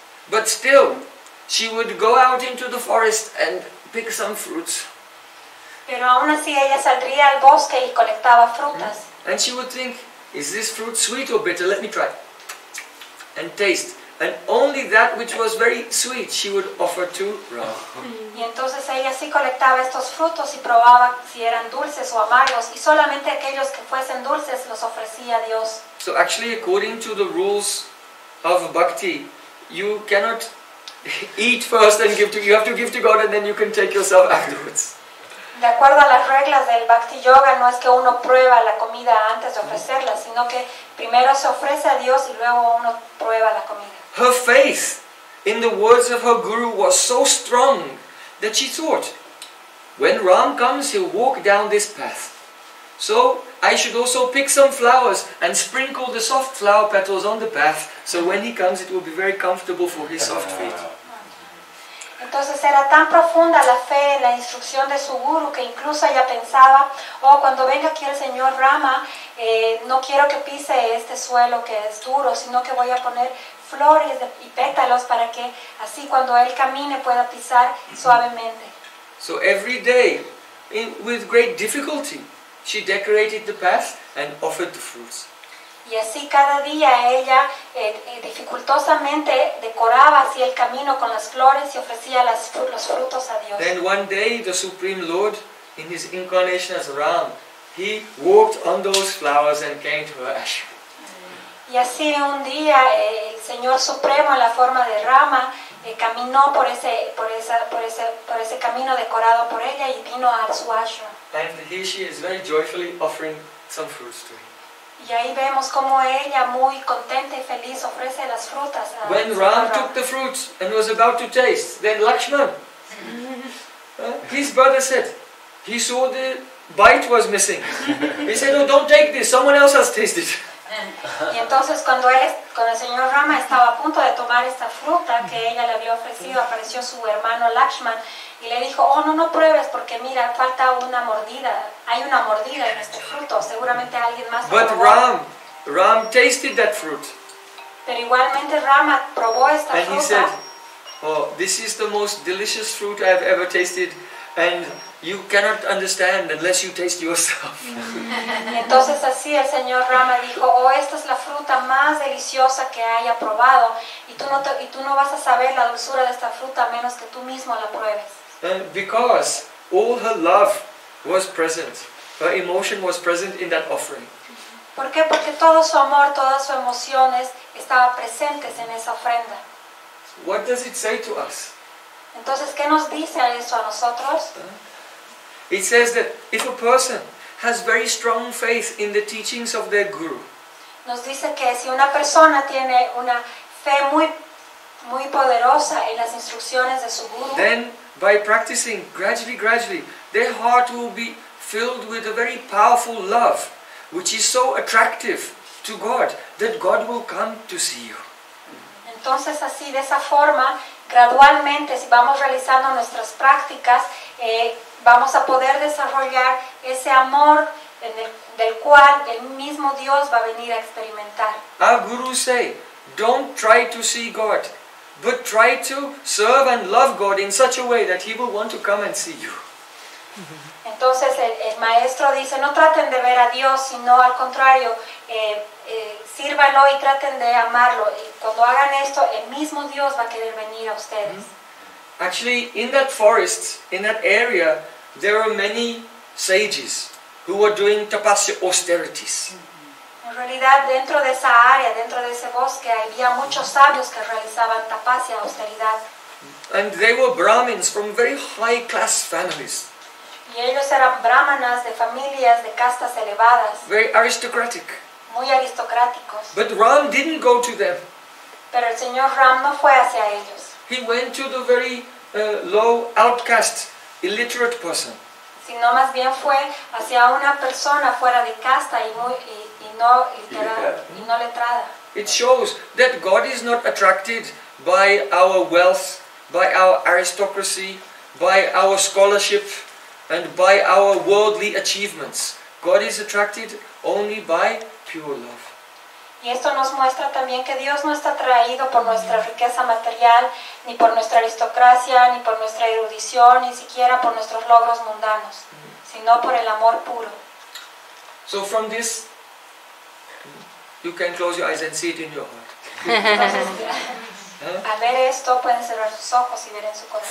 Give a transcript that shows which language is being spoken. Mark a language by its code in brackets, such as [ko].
[en] But still, she would go out into the forest and pick some fruits. [es] Pero aún así ella saldría al bosque y colectaba frutas. [en] And she would think, is this fruit sweet or bitter? Let me try and taste. And only that which was very sweet she would offer to Ram. [es] Y entonces ella sí colectaba estos frutos y probaba si eran dulces o amargos. Y solamente aquellos que fuesen dulces los ofrecía a Dios. [en] So actually according to the rules of Bhakti, you cannot eat first and give to God. You have to give to God and then you can take yourself afterwards. [es] De acuerdo a las reglas del Bhakti Yoga, no es que uno prueba la comida antes de ofrecerla, sino que primero se ofrece a Dios y luego uno prueba la comida. [en] Her faith in the words of her guru was so strong that she thought, when Ram comes, he'll walk down this path. So I should also pick some flowers and sprinkle the soft flower petals on the path, so when he comes it will be very comfortable for his soft feet. [es] Entonces era tan profunda la fe en la instrucción de su guru que incluso ella pensaba, oh, cuando venga aquí el señor Rama, no quiero que pise este suelo que es duro, sino que voy a poner flores y pétalos para que así cuando él camine pueda pisar suavemente. [en] So every day, with great difficulty, she decorated the path and offered the fruits. [es] Y así cada día ella dificultosamente decoraba así el camino con las flores y ofrecía los frutos a Dios. [en] Then one day the Supreme Lord, in his incarnation as Ram, he walked on those flowers and came to her ashram. [es] Y así un día el Señor Supremo en la forma de Rama caminó por ese camino decorado por ella y vino a su ashram. [en] And here she is very joyfully offering some fruits to him. [es] Y ahí vemos cómo ella, muy contenta y feliz, ofrece las frutas. [en] When Ram took the fruits and was about to taste, then Lakshman, his brother said, he saw the bite was missing. He said, "No, don't take this. Someone else has tasted." [es] Y entonces cuando el señor Rama estaba a punto de tomar esta fruta que ella le había ofrecido, apareció su hermano Lakshman y le dijo, "Oh, no pruebes porque mira, falta una mordida. Hay una mordida en este fruto. Seguramente alguien más probó." [en] But Ram tasted that fruit. [es] Pero igualmente Rama probó esta fruta. [en] And he said, "Oh, this is the most delicious fruit I have ever tasted, and you cannot understand unless you taste yourself." [es] Entonces así el señor Rama dijo, "Oh, esta es la fruta más deliciosa que haya probado, y tú no vas a saber la dulzura de esta fruta a menos que tú mismo la pruebes." [en] And because all her love was present, her emotion was present in that offering. [es] ¿Por qué? Porque todo su amor, todas sus emociones estaban presentes en esa ofrenda. [en] What does it say to us? [es] Entonces, ¿qué nos dice eso a nosotros? [en] It says that if a person has very strong faith in the teachings of their guru. [es] Nos dice que si una persona tiene una fe muy muy poderosa en las instrucciones de su guru, [en] then by practicing gradually their heart will be filled with a very powerful love which is so attractive to God that God will come to see you. [es] Entonces así de esa forma gradualmente si vamos realizando nuestras prácticas vamos a poder desarrollar ese amor del cual el mismo Dios va a venir a experimentar. [en] Our guru say, "Don't try to see God, but try to serve and love God in such a way that He will want to come and see you." [es] Entonces el maestro dice, "No traten de ver a Dios, sino al contrario, sírvanlo y traten de amarlo. Y cuando hagan esto, el mismo Dios va a querer venir a ustedes." [en] Actually, in that forest, in that area, there were many sages who were doing tapasya austerities. [es] En realidad, dentro de esa área, dentro de ese bosque, había muchos sabios que realizaban tapasya austeridad. [en] And they were Brahmins from very high class families. [es] Y ellos eran brahmanas de familias de castas elevadas. [en] Very aristocratic. [es] Muy aristocráticos. [en] But Ram didn't go to them. [es] Pero el señor Ram no fue hacia ellos. [en] He went to the very low outcast, illiterate person. [es] Sino más bien fue hacia una persona fuera de casta y no letrada. [en] It shows that God is not attracted by our wealth, by our aristocracy, by our scholarship, and by our worldly achievements. God is attracted only by pure love. [es] Y esto nos muestra también que Dios no está atraído por nuestra riqueza material, ni por nuestra aristocracia, ni por nuestra erudición, ni siquiera por nuestros logros mundanos, sino por el amor puro. [en] So from this, you can close your eyes and see it in your heart. [es] Entonces, a ver esto, pueden cerrar sus ojos y ver en su corazón.